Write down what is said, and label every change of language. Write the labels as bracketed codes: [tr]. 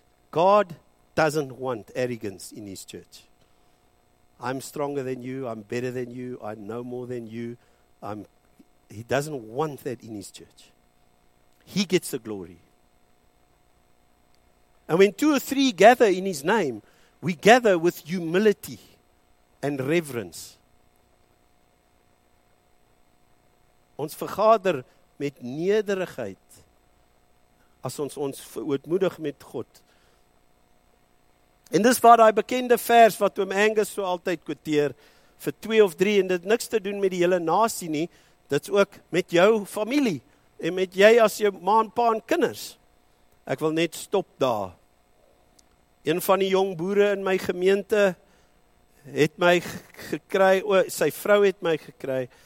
[en] God doesn't want arrogance in his church. I'm stronger than you, I'm better than you, I know more than you. He doesn't want that in his church. He gets the glory. And when two or three gather in his name, we gather with humility and reverence. [af] Ons vergader met nederigheid as ons verootmoedig met God. En dis waar die bekende vers wat Oom Angus so altyd quoteer, vir twee of drie, en dit niks te doen met die hele nasie nie, Dit is ook met jou familie en met jy as jou ma en pa en kinders. Ek wil net stop daar. Een van die jong boere in my gemeente het my gekry, sy vrou het my gekry.